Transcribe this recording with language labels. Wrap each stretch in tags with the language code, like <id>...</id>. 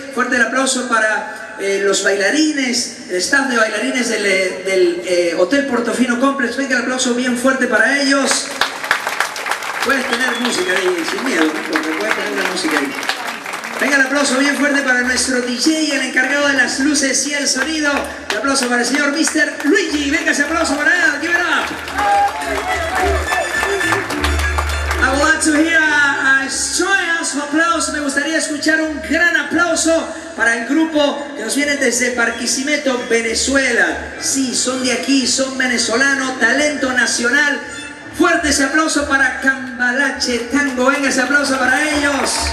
<es>Fuerte el aplauso para los bailarines, el staff de bailarines del Hotel Portofino Complex. Venga, el aplauso bien fuerte para ellos. Puedes tener música ahí, sin miedo, porque puedes tener la música ahí. Venga, el aplauso bien fuerte para nuestro DJ, el encargado de las luces y el sonido. El aplauso para el señor Mr. Luigi. Venga, ese aplauso para él.</es> <en>Give it up. I would like to hear a joyous applause.</en> <es>Me gustaría escuchar un gran aplauso para el grupo que nos viene desde Barquisimeto, Venezuela. Sí, son de aquí, son venezolanos, talento nacional. Fuerte ese aplauso para Cambalache Tango. Venga, ese aplauso para ellos.</es>